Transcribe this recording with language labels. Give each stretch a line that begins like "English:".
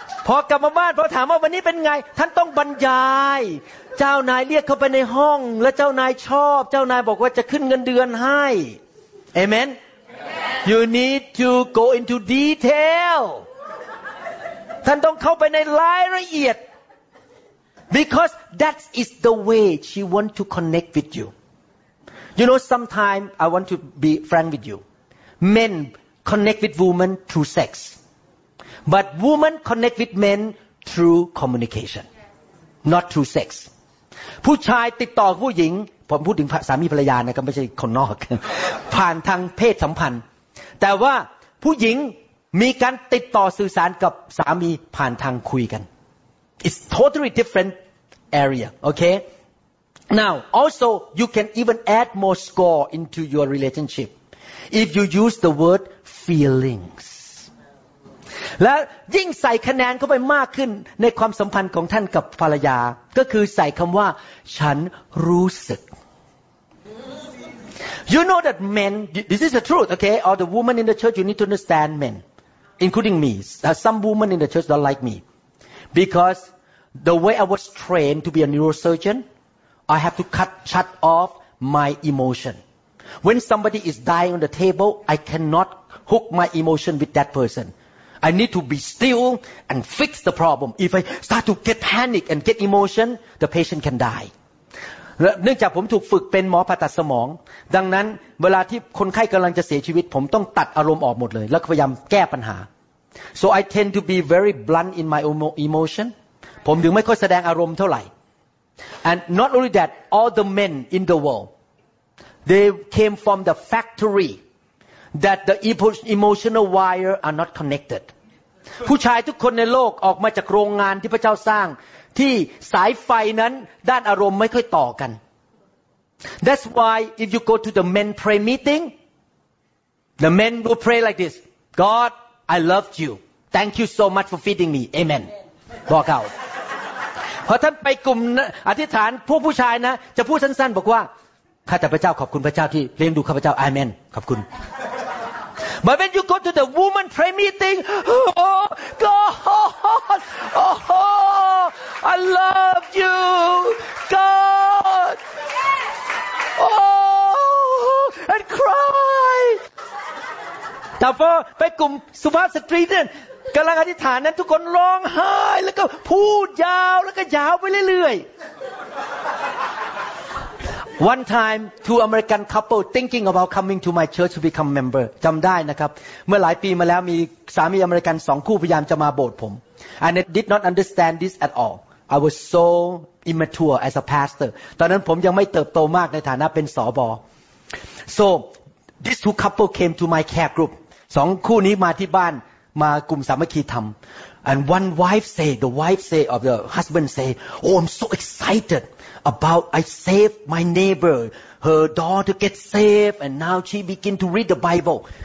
Thai: พอกลับมาบ้านพอถามว่าวันนี้เป็นไงท่านต้องบรรยายเจ้านายเรียกเข้าไปในห้องแล้วเจ้านายชอบเจ้านายบอกว่าจะขึ้นเงินเดือนให้เอเมน
English: You need to go into detail
Thai: ท่านต้องเข้าไปในรายละเอียด
English: because that is the way she want to connect with you you know sometime I want to be frank with you men connect with women through sexBut women connect with men through communication, not through sex.
Thai: ผู้ชายติดต่อผู้หญิงผมพูดถึงสามีภรรยานะครับไม่ใช่คนนอกผ่านทางเพศสัมพันธ์แต่ว่าผู้หญิงมีการติดต่อสื่อสารกับสามีผ่านทางคุยกัน
English: It's totally different area. Okay. Now, also you can even add more score into your relationship if you use the word feelings.
Thai: และยิ่งใส่คะแนนเข้าไปมากขึ้นในความสัมพันธ์ของท่านกับภรรยาก็คือใส่คำว่าฉันรู้สึก
English: You know that men this is the truth okay all the women in the church you need to understand men including me some women in the church don't like me because the way I was trained to be a neurosurgeon I have to shut off my emotion when somebody is dying on the table I cannot hook my emotion with that personI need to be still and fix the problem. If I start to get panic and get emotion, the patient can die.
Thai: เนื่องจากผมถูกฝึกเป็นหมอผ่าตัดสมองดังนั้นเวลาที่คนไข้กำลังจะเสียชีวิตผมต้องตัดอารมณ์ออกหมดเลยแล้วพยายามแก้ปัญหา
English: So I tend to be very blunt in my emotion.
Thai: ผมถึงไม่ค่อยแสดงอารมณ์เท่าไหร่
English: And not only that, all the men in the world, they came from the factory. That the emotional wire are not connected.
Thai: ผู้ชายทุกคนในโลกออกมาจากโรงงานที่พระเจ้าสร้างที่สายไฟนั้นด้านอารมณ์ไม่ค่อยต่อกัน
English: That's why if you go to the men pray meeting, the men will pray like this: God, I love you. Thank you so much for feeding me. Amen.
Thai: บอกเขาพอท่านไปกลุ่มอธิษฐานพวกผู้ชายนะจะพูดสั้นๆบอกว่าข้าแต่พระเจ้าขอบคุณพระเจ้าที่เลี้ยงดูข้าพระเจ้าอาเมนขอบคุณ
English: But when you go to the woman prayer meeting oh God oh I love you God oh and cry
Thai: แต่พอไปกลุ่มสุภาพสตรีนั่นกำลังอธิษฐานนั้นทุกคนร้องไห้แล้วก็พูดยาวแล้วก็ยาวไปเรื่อย
English: One time, two American couple thinking about coming to my church to become member.
Thai: จำได้นะครับเมื่อหลายปีมาแล้วมีสามีอเมริกันสองคู่พยายามจะมาโบสถ์ผม
English: And I did not understand this at all. I was so immature as a pastor.
Thai: ตอนนั้นผมยังไม่เติบโตมากในฐานะเป็นสบ.
English: So these two couple came to my care group.
Thai: สองคู่นี้มาที่บ้านมากลุ่มสามัคคีธรรม
English: And one wife say, the wife say of the husband say, Oh, I'm so excited. About I saved my neighbor, her daughter get saved, and now she begin to read the Bible.